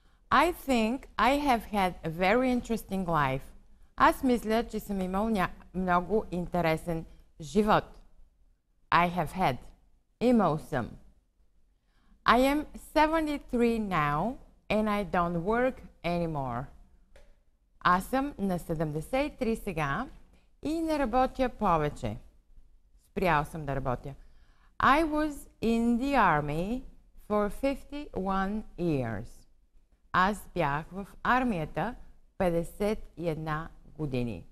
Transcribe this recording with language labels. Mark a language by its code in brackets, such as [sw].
[en] I think I have had a very interesting life. [bg] Аз мисля, че съм имал много интересен живот. [en] I have had. [bg] Имал съм. [en] I am 73 now and I don't work anymore. [bg] Аз съм на 73 сега и не работя повече. Спрял съм да работя. [en] I was in the army for 51 years. [bg] Аз бях в армията 51 години.